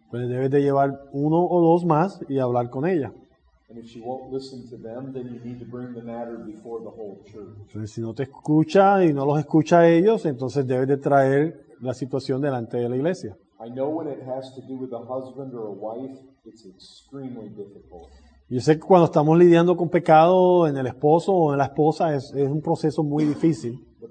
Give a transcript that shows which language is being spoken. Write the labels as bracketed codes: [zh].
[es] Pues debes de llevar uno o dos más y hablar con ella. [en] And if she won't listen to them, then you need to bring the matter before the whole church. [es] Entonces, si no te escucha y no los escucha a ellos, entonces debes de traer la situación delante de la iglesia. [en] I know when it has to do with a husband or a wife, it's extremely difficult. [es] Yo sé que cuando estamos lidiando con pecado en el esposo o en la esposa es un proceso muy difícil.